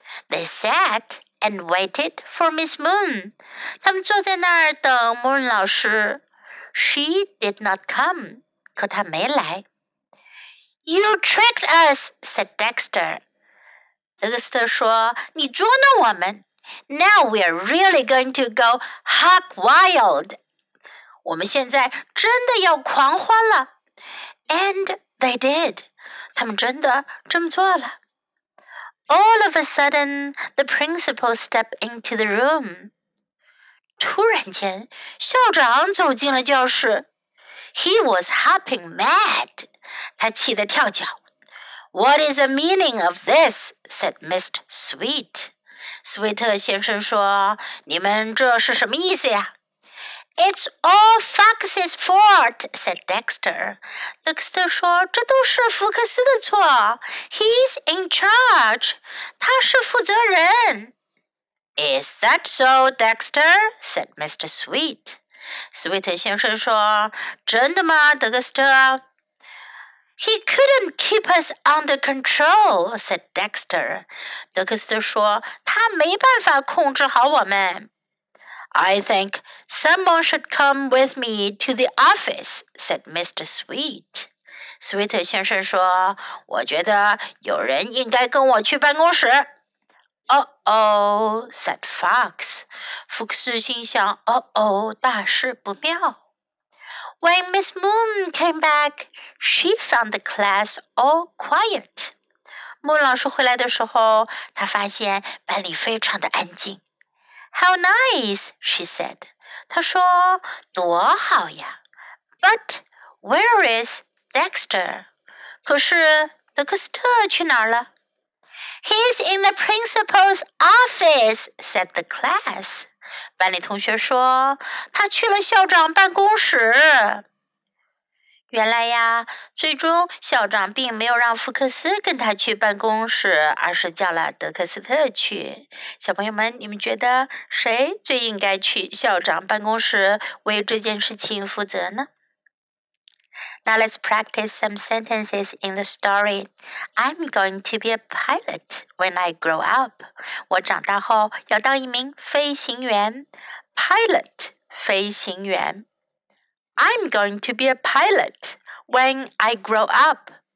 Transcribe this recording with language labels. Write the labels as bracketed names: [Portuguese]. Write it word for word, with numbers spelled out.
[English] They sat and waited for Miss Moon. [Chinese] 他们坐在那儿等 Moon 老师。 [English] She did not come. [Chinese] 可她没来。 [English] You tricked us, said Dexter. [Chinese] 德克斯特说，你捉弄我们。 [English] Now we are really going to go hog wild. [Chinese] 我们现在真的要狂欢了。 [English] And they did. [Chinese] 他们真的这么做了。 [English] All of a sudden, the principal stepped into the room. [Chinese] 突然间，校长走进了教室。 [English] He was hopping mad. [Chinese] 他气得跳脚。 [English] What is the meaning of this? Said Mister Sweet. [Chinese] 斯特先生说：“你们这是什么意思呀？” [English] It's all Fox's fault, said Dexter. [Chinese] Dexter 说：“这都是福克斯的错。 [English] He's in charge. [Chinese] 他是负责人。” [English] Is that so, Dexter? Said Mister Sweet. [Chinese] 斯特先生说：“真的吗，德克斯特？” [English] He couldn't keep us under control, said Dexter. [Chinese] 德克斯特说，他没办法控制好我们。 [English] I think someone should come with me to the office, said Mister Sweet. [Chinese] Sweet 先生说，我觉得有人应该跟我去办公室。 [English] Uh-oh, said Fox. [Chinese] 福克斯心想 ，Uh-oh, 大事不妙。 [English] When Miss Moon came back, she found the class all quiet. [Chinese] 穆老师回来的时候，她发现班里非常的安静。 [English] How nice, she said. [Chinese] 她说，多好呀。 [English] But where is Dexter? [Chinese] 可是德克斯特去哪儿了？ [English] He's in the principal's office, said the class. [Chinese] 班里同学说，他去了校长办公室。原来呀，最终校长并没有让福克斯跟他去办公室，而是叫了德克斯特去。小朋友们，你们觉得谁最应该去校长办公室为这件事情负责呢？ [English] Now let's practice some sentences in the story. I'm going to be a pilot when I grow up. [Chinese] 我长大后要当一名飞行员。 Pilot, 飞行员。 [English] I'm going to be a pilot when I grow up.